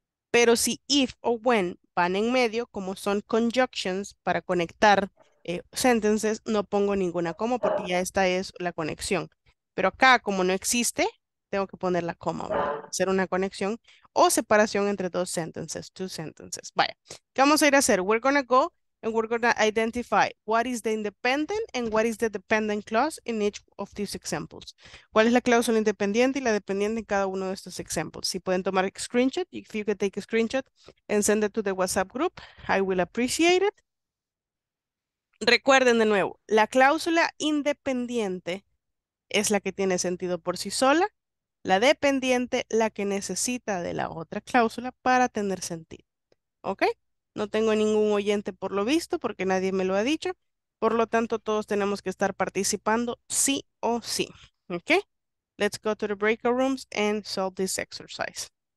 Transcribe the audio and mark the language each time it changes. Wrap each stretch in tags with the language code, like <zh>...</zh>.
<es>Pero si if o when van en medio, como son conjunctions para conectar sentences, no pongo ninguna coma porque ya esta es la conexión. Pero acá, como no existe, tengo que poner la coma, ¿verdad? Hacer una conexión o separación entre dos sentences, two sentences. Vaya, ¿qué vamos a ir a hacer?</es> <en>We're gonna go and we're gonna identify what is the independent and what is the dependent clause in each of these examples.</en> <es>¿Cuál es la cláusula independiente y la dependiente en cada uno de estos examples?</es> <en>Si pueden tomar screenshot, if you can take a screenshot and send it to the WhatsApp group, I will appreciate it.</en> <es>Recuerden de nuevo, la cláusula independiente es la que tiene sentido por sí sola, la dependiente la que necesita de la otra cláusula para tener sentido, ¿ok? No tengo ningún oyente por lo visto porque nadie me lo ha dicho, por lo tanto todos tenemos que estar participando sí o sí, ¿ok?</es> <en>Let's go to the breakout rooms and solve this exercise.</en>